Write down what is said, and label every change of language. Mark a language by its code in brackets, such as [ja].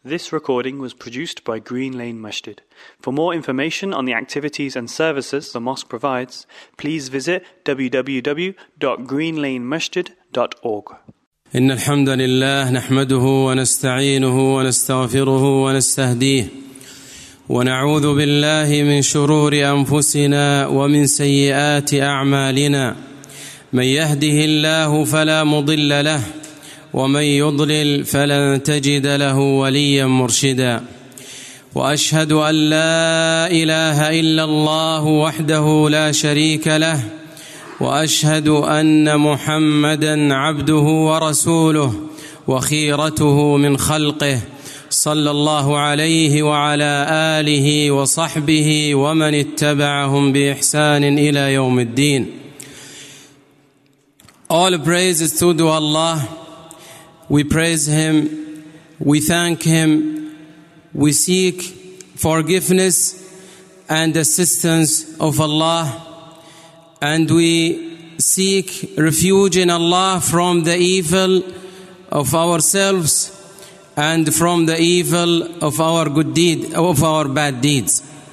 [en] This recording was produced by Green Lane Masjid. For more information on the activities and services the mosque provides, please visit www.greenlanemasjid.org. [ar] إن الحمد لله نحمده ونستعينه ونستغفره ونستهديه ونعوذ بالله من شرور أنفسنا ومن سيئات أعمالنا من يهده الله فلا مضل له ومن يضلل فلن تجد له وليا مرشدا وأشهد أن لا إله إلا الله وحده لا شريك له وأشهد أن محمدًا عبده ورسوله وخيرته من خلقه صلى الله عليه وعلى آله وصحبه ومن اتبعهم بإحسان إلى يوم الدين. [en] All praise is due to Allah. We praise Him, we thank Him, we seek forgiveness and assistance of Allah, and we seek refuge in Allah from the evil of ourselves and from the evil of our good deed, of our bad deeds.